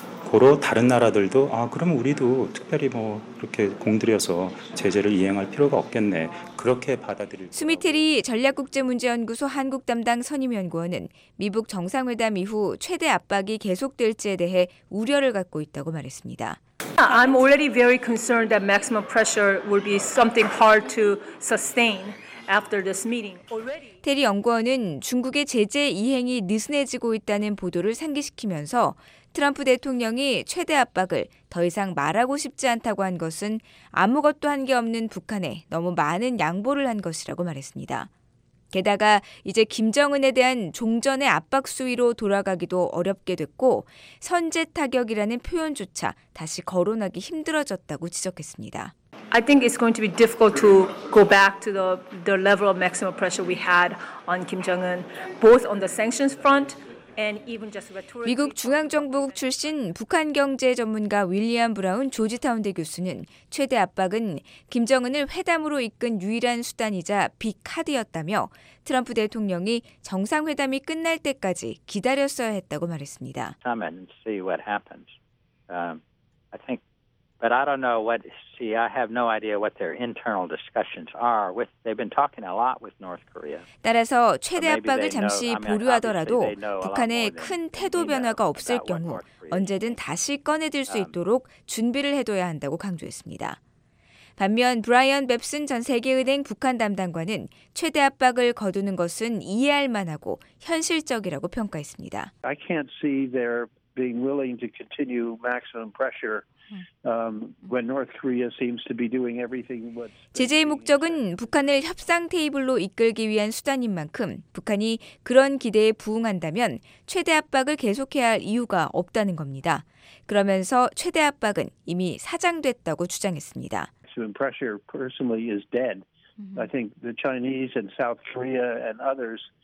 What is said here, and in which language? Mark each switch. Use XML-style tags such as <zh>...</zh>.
<ko>고로 다른 나라들도 아 그럼 우리도 특별히 뭐 이렇게 공들여서 제재를 이행할 필요가 없겠네. 그렇게 받아들일. 수미테리 전략국제문제연구소 한국 담당 선임연구원은 미북 정상회담 이후 최대 압박이 계속될지에 대해 우려를 갖고 있다고 말했습니다.</ko> <en>I'm already very concerned that maximum pressure will be something hard to sustain. After this meeting, already.</en> <ko>테리 연구원은 중국의 제재 이행이 느슨해지고 있다는 보도를 상기시키면서 트럼프 대통령이 최대 압박을 더 이상 말하고 싶지 않다고 한 것은 아무것도 한 게 없는 북한에 너무 많은 양보를 한 것이라고 말했습니다. 게다가 이제 김정은에 대한 종전의 압박 수위로 돌아가기도 어렵게 됐고 선제 타격이라는 표현조차 다시 거론하기 힘들어졌다고 지적했습니다.</ko> <en>I think it's going to be difficult to go back to the level of maximum pressure we had on Kim Jong-un, both on the sanctions front and even just rhetorically.</en> <ko>미국 중앙정보국 출신 북한 경제 전문가 윌리엄 브라운 조지타운대 교수는 최대 압박은 김정은을 회담으로 이끈 유일한 수단이자 빅카드였다며 트럼프 대통령이 정상회담이 끝날 때까지 기다렸어야 했다고 말했습니다.</ko> <en>See what happens. I think. But I don't know what. See, I have no idea what their internal discussions are. With they've been talking a lot with North Korea.</en> <ko>따라서 최대 압박을 잠시 보류하더라도 북한의 큰 태도 변화가 없을 경우 언제든 다시 꺼내들 수 있도록 준비를 해둬야 한다고 강조했습니다. 반면 브라이언 뱁슨 전 세계은행 북한 담당관은 최대 압박을 거두는 것은 이해할 만하고 현실적이라고 평가했습니다.</ko> <en>I can't see their being willing to continue maximum pressure. When North Korea seems to be doing everything what</en> <ko>제재의 목적은 북한을 협상 테이블로 이끌기 위한 수단인 만큼 북한이 그런 기대에 부응한다면 최대 압박을 계속해야 할 이유가 없다는 겁니다. 그러면서 최대 압박은 이미 사장됐다고 주장했습니다.</ko> <en>Pressure personally is dead. I think the Chinese and South Korea and others</en>